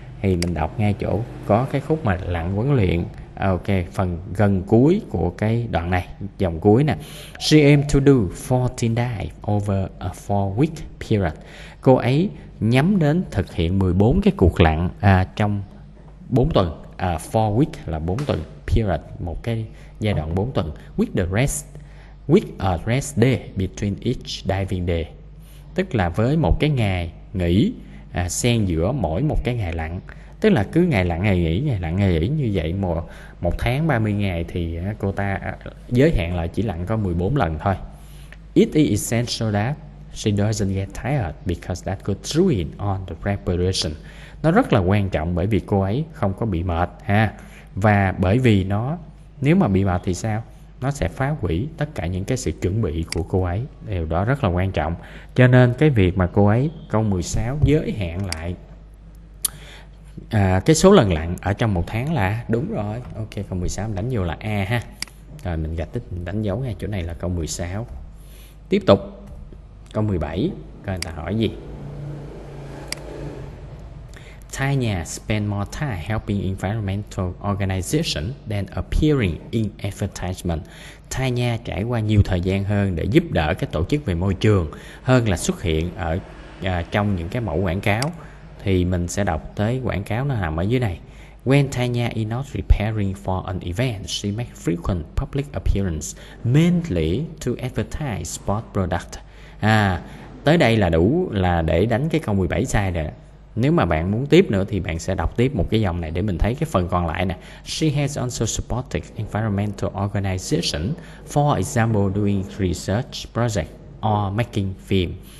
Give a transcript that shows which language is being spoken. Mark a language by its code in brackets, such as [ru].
[vi] Thì mình đọc ngay chỗ có cái khúc mà lặn huấn luyện. Ok, phần gần cuối của cái đoạn này, dòng cuối nè. [en] She aimed to do 14 dives over a 4-week period. [vi] Cô ấy nhắm đến thực hiện 14 cái cuộc lặn trong 4 tuần. 4-week là 4 tuần, period, một cái giai đoạn 4 tuần. [en] With the rest, with a rest day between each diving day. [vi] Tức là với một cái ngày nghỉ xen giữa mỗi một cái ngày lặn. Tức là cứ ngày lặn, ngày nghỉ, ngày lặn, ngày nghỉ như vậy. Một tháng 30 ngày thì cô ta giới hạn là chỉ lặn có 14 lần thôi. [en] It is essential that she doesn't get tired because that could ruin on the preparation. [vi] Nó rất là quan trọng bởi vì cô ấy không có bị mệt ha. Và bởi vì nó, nếu mà bị mệt thì sao? Nó sẽ phá hủy tất cả những cái sự chuẩn bị của cô ấy. Điều đó rất là quan trọng. Cho nên cái việc mà cô ấy, câu 16 giới hạn lại cái số lần lặn ở trong một tháng là đúng rồi. Ok, câu 16 đánh vô là A ha. Rồi mình gạch tích, mình đánh dấu ngay chỗ này là câu 16. Tiếp tục câu 17, coi người ta hỏi gì. [en] Tanya spend more time helping environmental organization than appearing in advertisement. [vi] Tanya trải qua nhiều thời gian hơn để giúp đỡ các tổ chức về môi trường hơn là xuất hiện ở trong những cái mẫu quảng cáo. Thì mình sẽ đọc tới quảng cáo nó nằm ở dưới này. [en] When Tanya is not preparing for an event, she makes frequent public appearance mainly to advertise sport product. [vi] Tới đây là đủ là để đánh cái câu 17 sai rồi. Nếu mà bạn muốn tiếp nữa thì bạn sẽ đọc tiếp một cái dòng này để mình thấy cái phần còn lại nè. [en] She has also supported environmental organization, for example doing research project or making film.